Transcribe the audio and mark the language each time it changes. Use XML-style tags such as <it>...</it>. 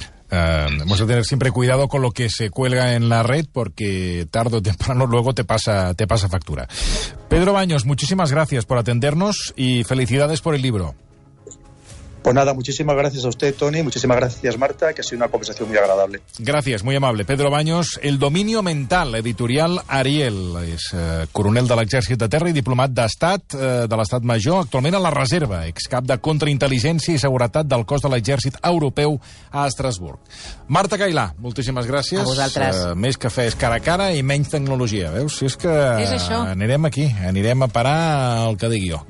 <es>Vamos a tener siempre cuidado con lo que se cuelga en la red, porque tarde o temprano luego te pasa factura. Pedro Baños, muchísimas gracias por atendernos y felicidades por el libro. Pues nada, muchísimas gracias a usted, Tony. Muchísimas gracias, Marta, que ha sido una conversación muy agradable. Gracias, muy amable. Pedro Baños, El dominio mental, editorial Ariel.</es> <ca>És coronel de l'Exèrcit de Terra i diplomat d'Estat, de l'Estat Major, actualment a la Reserva, excap de contraintel·ligència i seguretat del cos de l'Exèrcit Europeu a Estrasburg. Marta Cailà, moltíssimes gràcies. A vosaltres. Més cafès cara a cara i menys tecnologia, veus? Si és que... És això. Anirem aquí, anirem a parar el que digui jo.</ca>